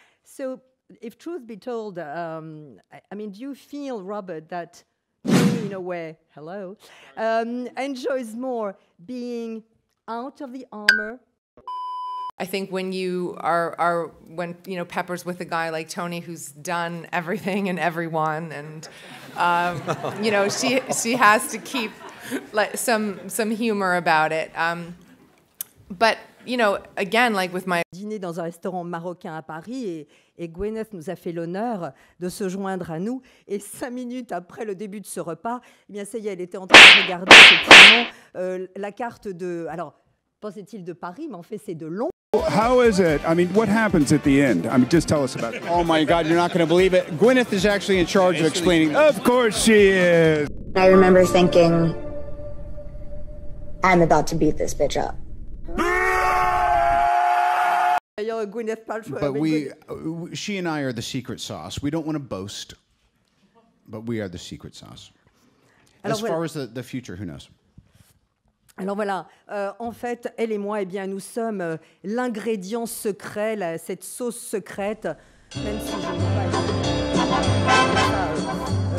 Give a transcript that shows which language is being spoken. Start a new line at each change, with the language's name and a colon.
English: So, if truth be told, do you feel, Robert, that you, in a way, enjoys more being out of the armor? I think when you are when you know Pepper's with a guy like Tony who's done everything and everyone and she has to keep like some humor about it. But you know again like with my
French: dîner dans un restaurant marocain à Paris et Gwyneth nous a fait l'honneur de se joindre à nous et 5 minutes après le début de ce repas, eh bien ça y est, elle était en train de regarder effectivement la carte de alors pensait-il de Paris mais en fait c'est de Londres.
English: How is it? I mean, what happens at the end? I mean, just tell us about it. Oh my God, you're not going to believe it. Gwyneth is actually in charge of explaining. Of course she is. I remember thinking, I'm about to beat this bitch up. But she and I are the secret sauce. We don't want to boast, but we are the secret sauce. As far as the future, who knows?
French: Alors voilà, en fait, elle et moi, eh bien, nous sommes l'ingrédient secret, cette sauce secrète, même si je ne veux pas...